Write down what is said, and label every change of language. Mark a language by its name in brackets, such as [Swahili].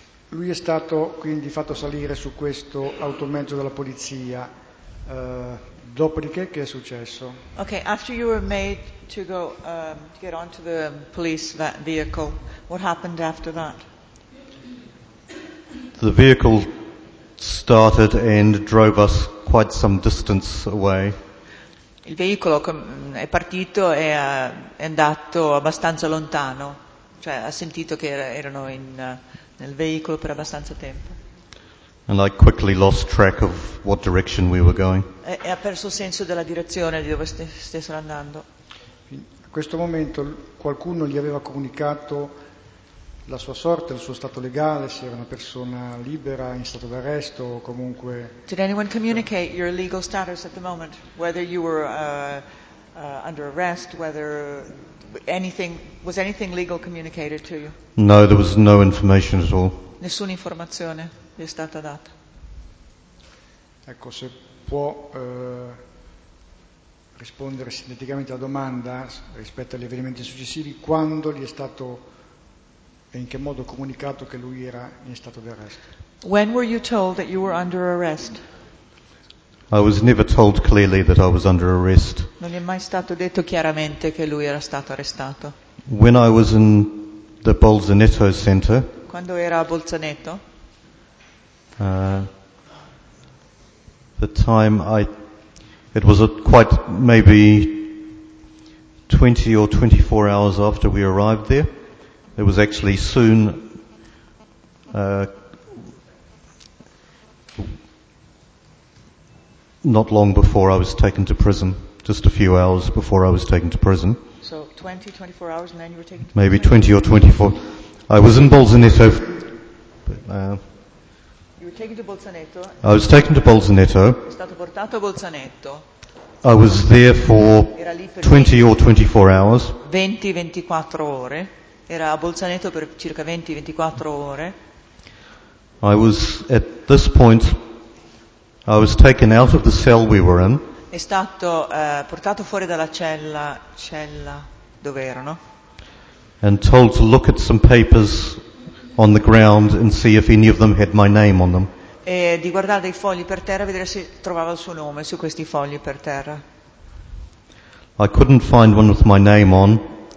[Italian] Lui è stato quindi fatto salire su questo automezzo della polizia. Dopodiché che è successo? [English] Okay, after you were made to go to get onto the police vehicle, what happened after that? The vehicle started and drove us quite some distance away. [Italian] Il veicolo è partito e è andato abbastanza lontano, cioè ha sentito che erano in nel veicolo per abbastanza tempo. [English] And I quickly lost track of what direction we were going. [Italian] E ha perso il senso della direzione di dove stessero andando. In questo momento qualcuno gli aveva comunicato la sua sorte, il suo stato legale, se era una persona libera, in stato d'arresto o comunque. [English] Did anyone communicate your legal status at the moment, whether you were under arrest, whether anything was anything legal communicated to you? No, there was no information at all. [Italian] Nessuna informazione gli è stata data. Ecco, se può rispondere sinteticamente alla domanda rispetto agli avvenimenti successivi, quando gli è stato e in che modo comunicato che lui era in stato d'arresto? [English] When were you told that you were under arrest? I was never told clearly that I was under arrest. [Italian] Non gli è mai stato detto chiaramente che lui era stato arrestato. [English] When I was in the Bolzaneto Center. [Italian] Quando era a Bolzaneto? [English] The time it was quite maybe 20 or 24 hours after we arrived there. It was actually soon not long before I was taken to prison, just a few hours before I was taken to prison. So 20, 24 hours and then you were taken to prison? Maybe 20 or 24. I was in Bolzaneto. You were taken to Bolzaneto? I was taken to Bolzaneto. [Italian] È stato portato a Bolzaneto. [English] I was there for 20 or 24 hours. [Italian] 20, 24 ore. Era a Bolzaneto per circa 20-24 ore. [English] I was at this point I was taken out of the cell we were in. [Italian] È stato portato fuori dalla cella dove erano. [English] And told to look at some papers on the ground and see if any of them had my name on them. [Italian] E di guardare dei fogli per terra a vedere se trovava il suo nome su questi fogli per terra. [English] I couldn't find one with my name on.